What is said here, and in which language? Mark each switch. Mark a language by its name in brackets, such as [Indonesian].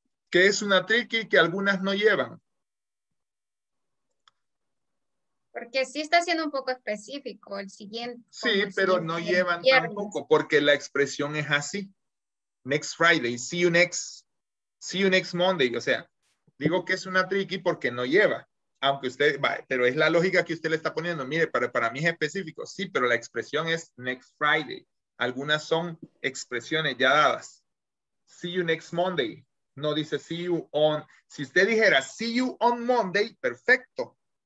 [Spanish] ¿Qué es una tricky que algunas no llevan? Porque sí está siendo un poco específico el siguiente. Sí, el pero siguiente, no llevan tampoco porque la expresión es así. [English] Next Friday, see you next Monday, [Spanish] o sea. Digo que es una tricky porque no lleva, aunque usted, pero es la lógica que usted le está poniendo. Mire, para mí es específico. Sí, pero la expresión es [English] next Friday. [Spanish] Algunas son expresiones ya dadas. [English] See you next Monday. [Spanish] No dice [English] see you on. [Spanish] Si usted dijera [English] see you on Monday, [Spanish] perfecto.